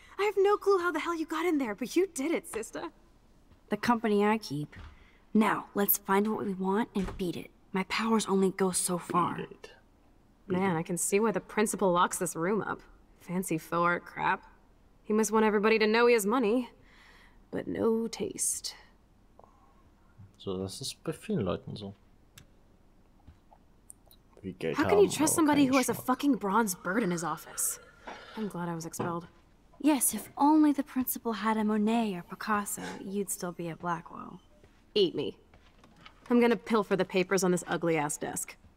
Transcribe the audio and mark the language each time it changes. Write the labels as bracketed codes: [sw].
[en] I have no clue how the hell you got in there, but you did it, sister. The company I keep. Now, let's find what we want and beat it. My powers only go so far. Beat it. Man, I can see why the principal locks this room up. Fancy faux art crap. He must want everybody to know he has money, but no taste. [de] So, das ist bei vielen Leuten so. Wie Geld [en] How can [de] haben, [en] you trust somebody who has a fucking bronze bird in his office? I'm glad I was expelled. Yes, if only the principal had a Monet or Picasso, you'd still be at Blackwell. Eat me. I'm gonna pilfer the papers on this ugly ass desk.